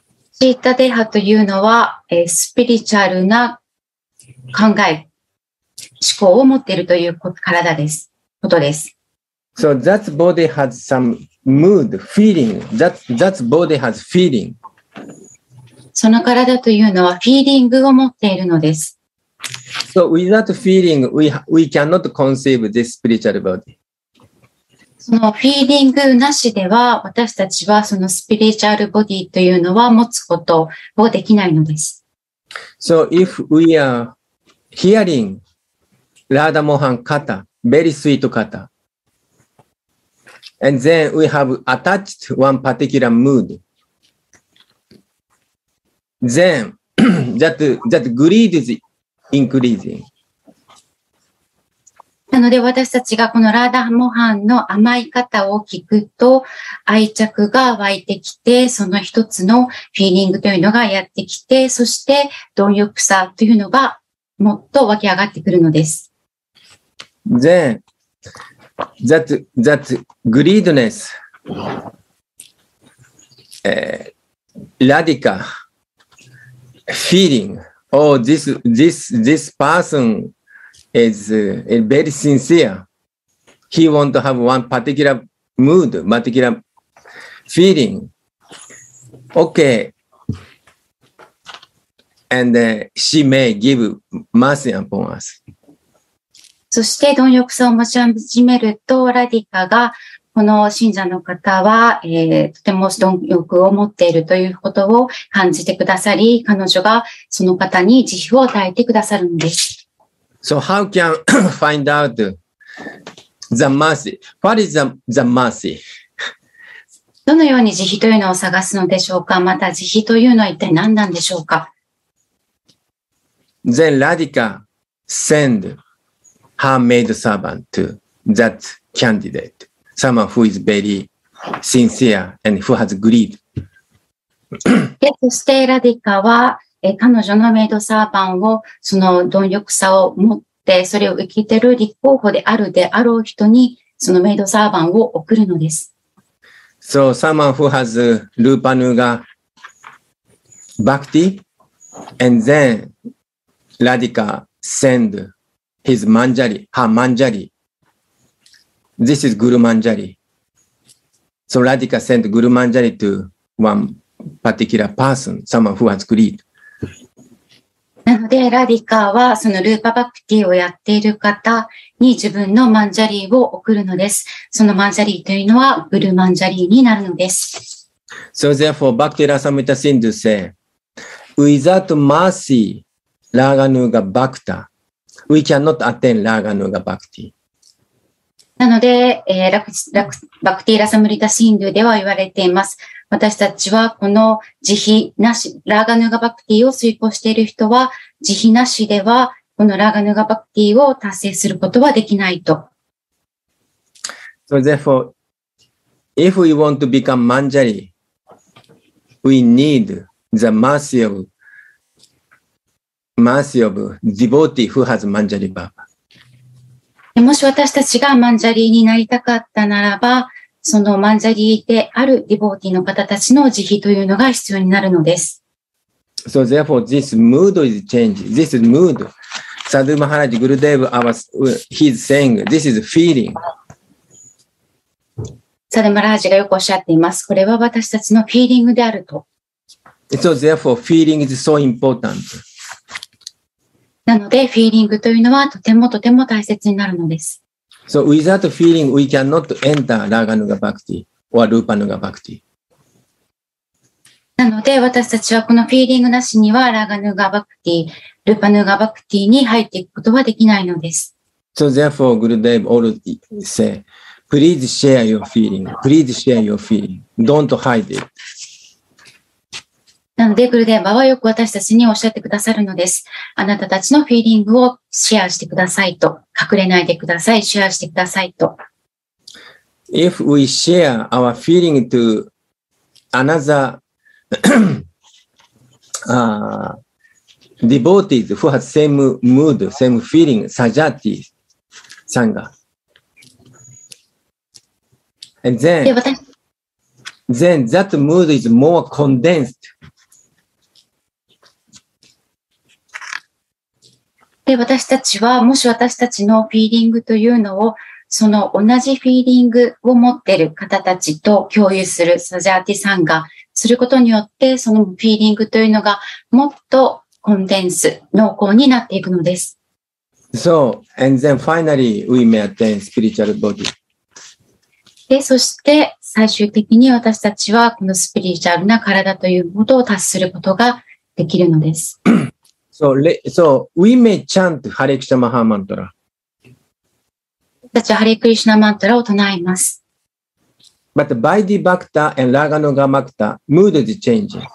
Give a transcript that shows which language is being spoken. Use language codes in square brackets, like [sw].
[ja] シッタデーハというのは、スピリチュアルな考え、思考を持っているという体です、ことです。 [en] So, that body has some mood, feeling. That body has feeling. [ja] その体というのはフィーリングを持っているのです。 [en] So without feeling, we cannot conceive this spiritual body. [ja] そのフィーリングなしでは、私たちはそのスピリチュアルボディというのは持つことをできないのです。 [en] So if we are hearing Radha Mohan Katha, very sweet Katha, and then we have attached one particular mood,Then, that greed is increasing. [ja] なので私たちがこのラーダモハンの甘い方を聞くと愛着が湧いてきて、その一つのフィーリングというのがやってきて、そして貪欲さというのがもっと湧き上がってくるのです。 [en] Then, that greediness, radicalFeeling, oh, this person is very sincere. He want to have one particular mood, particular feeling. Okay. And she may give mercy upon us. [ja] そして、貪欲さを持ち始めると、ラディカが、この信者の方は、とても貪欲を持っているということを感じてくださり、彼女がその方に慈悲を与えてくださるんです。 [en] So how can find out the mercy? What is the mercy? [ja] どのように慈悲というのを探すのでしょうか？また慈悲というのは一体何なんでしょうか [en] ？Then Radhika send her maid servant to that candidate. Someone who is very sincere and who has greed. [ja] で、そしてラディカは、彼女のメイドサーバンをその貪欲さを持って、それを受けている立候補であるであろう人にそのメイドサーバンを送るのです。 [en] So, someone who has Rupa Nuga Bhakti, and then Radhika send his Manjari, her Manjari. This is Guru Manjari. So Radhika sent Guru Manjari to one particular person, someone who has greed. [ja] なので、ラディカはそのルーパバクティをやっている方、に自分のマンジャリーを送るのです。そのマンジャリーというのはブルマンジャリーになるのです。 [en] So therefore, Bhakti Rasamrita Sindhu says, without mercy, Raganuga Bhakta, we cannot attain Raganuga Bhakti. [ja] なので、バクティラサムリタシンドゥでは言われています。私たちはこの慈悲なし、ラーガヌーガバクティを遂行している人は、慈悲なしでは、このラーガヌーガバクティを達成することはできないと。 [en] So therefore, if we want to become manjari, we need the mercy of devotee who has manjari baba. [ja] もし私たちがマンジャリーになりたかったならば、そのマンジャリーであるディボーティの方たちの慈悲というのが必要になるのです。 [en] So therefore, this mood is changing. This is mood. Sadhu Maharaj Gurudev, he's saying, this is feeling. [ja] Sadhu Maharaj がよくおっしゃっています。これは私たちのフィーリングであると。 [en] So therefore, feeling is so important. [ja] なので、フィーリングというのはとてもとても大切になるのです。 [en] So without feeling, we cannot enter Raganuga Bhakti or Rupanuga Bhakti. [ja] なので、私たちはこのフィーリングなしには Raganuga Bhakti、Rupanuga Bhakti に入っていくことはできないのです。 [en] So therefore, Gurudev already said, please share your feeling. Please share your feeling. Don't hide it. [ja] なので、グルデーバはよく私たちにおっしゃってくださるのです。あなたたちのフィーリングをシェアしてくださいと。隠れないでください。シェアしてくださいと。 [en] If we share our feeling to another 、devotees who have same mood, same feeling, Sajati Sangha. And then that mood is more condensed. [ja] で私たちはもし私たちのフィーリングというのをその同じフィーリングを持っている方たちと共有するサジャーティさんがすることによってそのフィーリングというのがもっとコンデンス濃厚になっていくのです。 [en] So and then finally we may attain spiritual body. [ja] でそして最終的に私たちはこのスピリチュアルな体ということを達することができるのです。 [en] So, we may chant Hare Krishna Maha Mantra. [ja] 私たちはハレクリシュナマントラを唱えます。 [en] But Vaidhi Bhakta and Raganuga Bhakta, mood is changing.